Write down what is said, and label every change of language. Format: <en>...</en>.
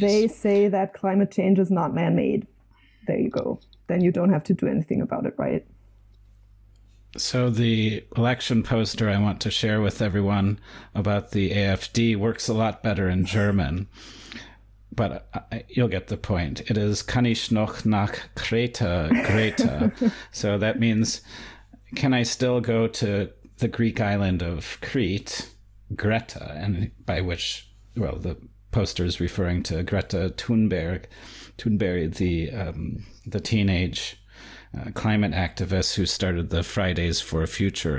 <en>Yeah, they say that climate change is not man-made. There you go. Then you don't have to do anything about it, right? So the election poster I want to share with everyone about the AFD works a lot better in German, but you'll get the point. It is</en> <de>"Kann ich noch nach Kreta, Kreta."</de> <en>So that means, can I still go to the Greek island of Crete, Greta, and by which, well, the poster is referring to Greta Thunberg, the teenage climate activists who started the Fridays for Future</en>